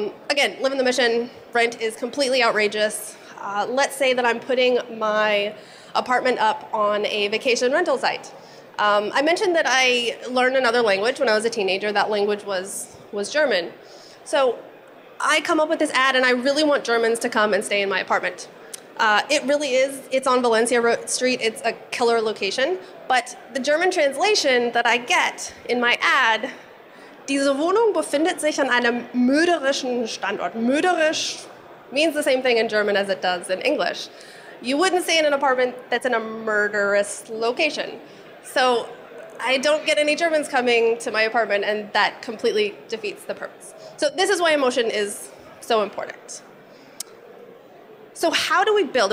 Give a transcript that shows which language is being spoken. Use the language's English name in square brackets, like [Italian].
[English] Again, live in the mission, rent is completely outrageous. Let's say that I'm putting my apartment up on a vacation rental site. I mentioned that I learned another language when I was a teenager. That language was German. So I come up with this ad and I really want Germans to come and stay in my apartment. It really is, it's on Valencia Street, it's a killer location. But the German translation that I get in my ad, [German] diese Wohnung befindet sich an einem mürderischen Standort. [English] Mürderisch means the same thing in German as it does in English. You wouldn't stay in an apartment that's in a murderous location. So I don't get any Germans coming to my apartment, and that completely defeats the purpose. So this is why emotion is so important. So how do we build?